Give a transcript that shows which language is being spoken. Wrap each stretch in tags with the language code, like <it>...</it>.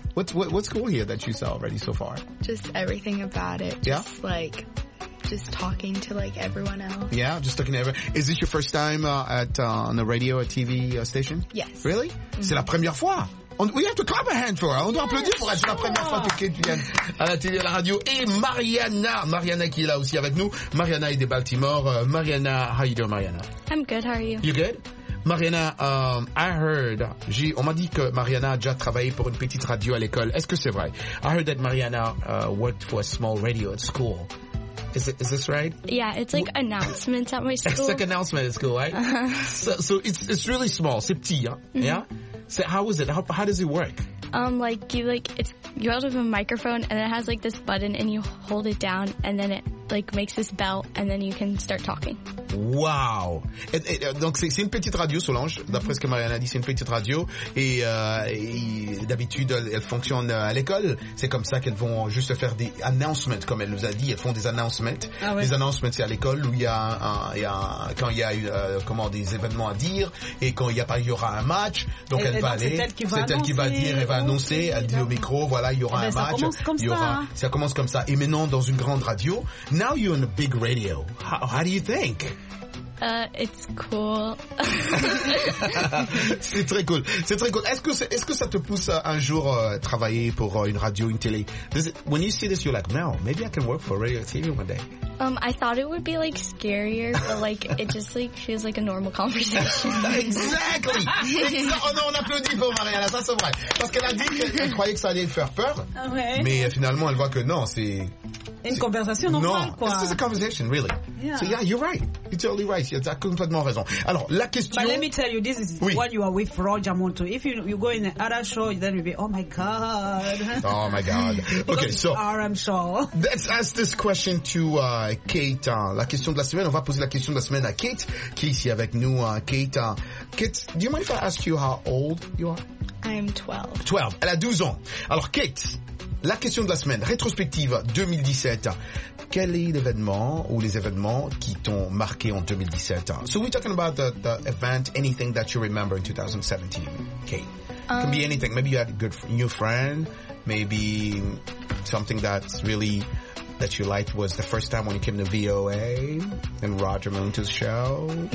<en>What's cool here that you saw already so far? Just everything about it. Just yeah? Like, just talking to, like, everyone else. Yeah, just talking to everyone. Is this your first time on a radio or TV station? Yes. Really? Mm-hmm.</en> <fr>C'est la première fois.</fr> <en>We have to clap a hand for her.</en> <fr>On doit applaudir pour être la première fois que Kate vient à la télé, à la radio. Et Mariana. Mariana qui est là aussi avec nous. Mariana est de Baltimore.</fr> <en>Mariana, how you doing, Mariana? I'm good, how are you? You good?</en> <fr>Mariana, on m'a dit que Mariana a déjà travaillé pour une petite radio à l'école. Est-ce que c'est vrai?</fr> <en>I heard that Mariana worked for a small radio at school. Is this right? Yeah, it's like announcements at my school. It's like announcements at school, right? So it's really small.</en> <fr>C'est petit, hein?</fr> <en>Mm-hmm. Yeah? So how is it? How does it work? You hold up a microphone and it has like this button and you hold it down and then it like makes this bell and then you can start talking. Wow.</en> <fr>Donc c'est une petite radio Solange, d'après ce que Mariana a dit, c'est une petite radio et d'habitude elle fonctionne à l'école. C'est comme ça qu'elles vont juste faire des announcements comme elle nous a dit, elles font des announcements. Ah ouais. Des announcements c'est à l'école où il y a des événements à dire et quand il y aura un match, donc elle va annoncer, elle dit au micro voilà, il y aura un match. Ça commence comme ça. Et maintenant dans une grande radio.</fr> <en>Now you're in a big radio. How do you think? It's cool.</en> <fr>C'est très cool. C'est très cool. Est-ce que ça te pousse un jour travailler pour une radio, une télé?</fr> <en>When you see this, you're like, no, maybe I can work for radio TV one day. I thought it would be like scarier, but like it just like feels like a normal conversation.</en> <fr>Exactly. On applaudit pour Mariana, ça c'est vrai. Parce qu'elle a dit qu'elle croyait que ça allait faire peur. Ouais. Mais finalement, elle voit que non, c'est une conversation normale, quoi.</fr> <en>This is a conversation, really. Yeah. So yeah, you're right. You're totally right. You have</en> <fr>complètement raison. Alors, la question...</fr> <en>But let me tell you, this is what you are with Roger Muntu. If you go in another show, then you'll be, oh my God. Oh my God. Okay, so... RM Show. Let's ask this question to Kate.</en> <fr>La question de la semaine. On va poser la question de la semaine à Kate, qui est ici avec nous.</fr> <en>Kate, do you mind if I ask you how old you are? I'm 12.</en> <fr>12. Elle a 12 ans. Alors, Kate... La question de la semaine, rétrospective 2017. Quel est l'événement ou les événements qui t'ont marqué en 2017?</fr> <en>So we're talking about the event, anything that you remember in 2017, Kate. It can be anything. Maybe you had a good new friend. Maybe something that's really, that you liked was the first time when you came to VOA and Roger Muntu's show.</en>